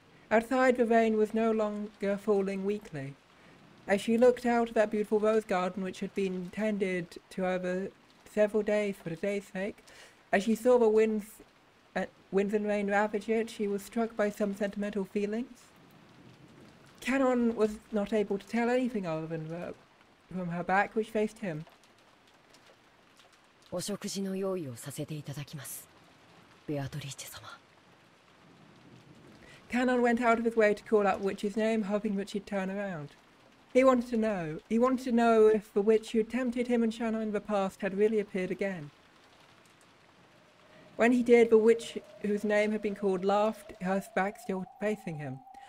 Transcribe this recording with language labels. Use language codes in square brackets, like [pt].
[en] Outside, the rain was no longer falling weakly. As she looked out at that beautiful rose garden which had been tended to over several days for today's sake, as she saw the winds and rain ravage it, she was struck by some sentimental feelings. Canon was not able to tell anything other than from her back, which faced him. [ja] お食事の用意をさせていただきます、ベアトリーチェ様。 [en] Canon went out of his way to call out the witch's name, hoping that she'd turn around. He wanted to know. He wanted to know if the witch who tempted him and Shanna in the past had really appeared again. When he did, the witch whose name had been called laughed, her back still facing him.